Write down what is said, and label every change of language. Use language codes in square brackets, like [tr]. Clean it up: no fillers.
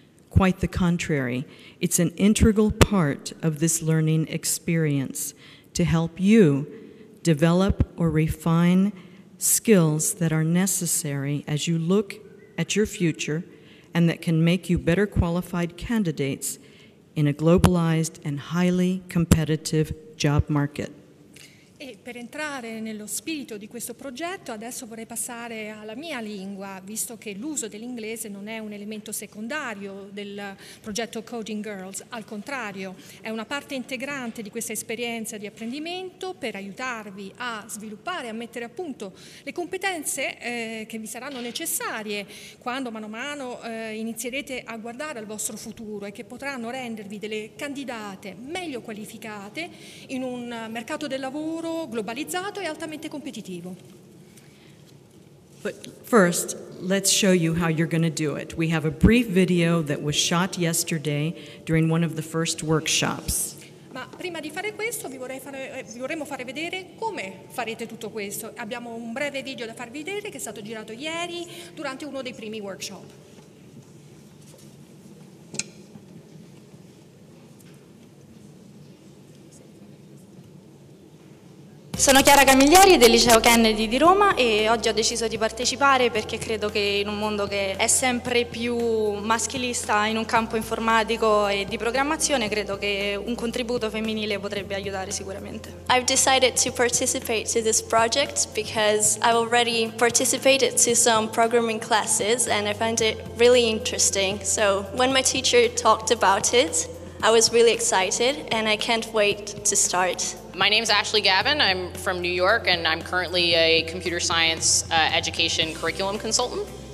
[en] Quite the contrary, it's an integral part of this learning experience to help you develop or refine skills that are necessary as you look at your future and that can make you better qualified candidates in a globalized and highly competitive job market. [it] E per entrare nello spirito di questo progetto, adesso vorrei passare alla mia lingua, visto che l'uso dell'inglese non è un elemento secondario del progetto Coding Girls, al contrario, è una parte integrante di questa esperienza di apprendimento per aiutarvi a sviluppare e a mettere a punto le competenze che vi saranno necessarie quando mano a mano inizierete a guardare al vostro futuro e che potranno rendervi delle candidate meglio qualificate in un mercato del lavoro globalizzato e altamente competitivo. [en] But first, let's show you how you're going to do it. We have a brief video that was shot yesterday during one of the first workshops. [it] Ma prima di fare questo, vi vorremmo fare vedere come farete tutto questo. Abbiamo un breve video da far vedere che è stato girato ieri durante uno dei primi workshop. Sono Chiara Camiglieri del Liceo Kennedy di Roma e oggi ho deciso di partecipare perché credo che in un mondo che è sempre più maschilista in un campo informatico e di programmazione, credo che un contributo femminile potrebbe aiutare sicuramente. [en] I've decided to participate to this project because I've already participated to some programming classes and I found it really interesting. So when my teacher talked about it, I was really excited and I can't wait to start. My name is Ashley Gavin, I'm from New York and I'm currently a computer science education curriculum consultant.